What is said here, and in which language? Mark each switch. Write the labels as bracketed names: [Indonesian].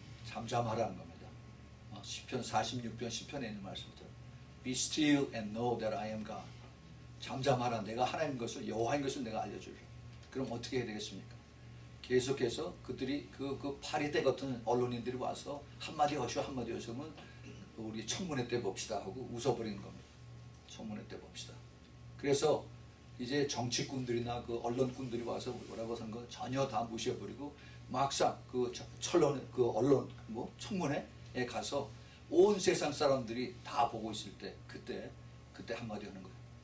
[Korean] 잠잠하라는 겁니다. 시편 46편 시편에 있는 말씀이죠. [English] Be still and know that I am God. [Korean] 잠잠하라. 내가 하나님 것을, 여호와인 것을 내가 알려줄게. 그럼 어떻게 해야 되겠습니까? 계속해서 그들이 그 파리대 같은 언론인들이 와서 한마디 하시오 한마디 하시오면 우리 청문회 때 봅시다 하고 웃어버리는 겁니다. 청문회 때 봅시다. 그래서 이제 정치꾼들이나 그 언론꾼들이 와서 뭐라고 하는 거 전혀 다 무시해버리고 막상 그 철론 그 언론 뭐 청문회에 가서 온 세상 사람들이 다 보고 있을 때 그때 한마디 하는 거예요.